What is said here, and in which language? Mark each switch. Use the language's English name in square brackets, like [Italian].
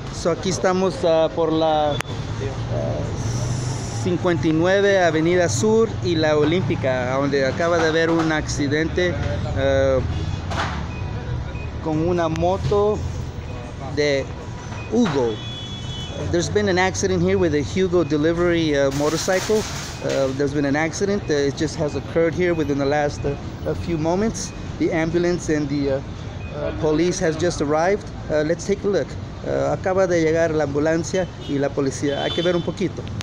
[Spanish] aquí estamos por la 59 Avenida Sur y la Olímpica, donde acaba de haber un accidente con una moto de Hugo. [English] There's been an accident here with a Hugo delivery motorcycle. There's been an accident. It just has occurred here within the last few moments. The ambulance and the police has just arrived. Let's take a look. [Spanish] Acaba de llegar la ambulancia y la policía. Hay que ver un poquito.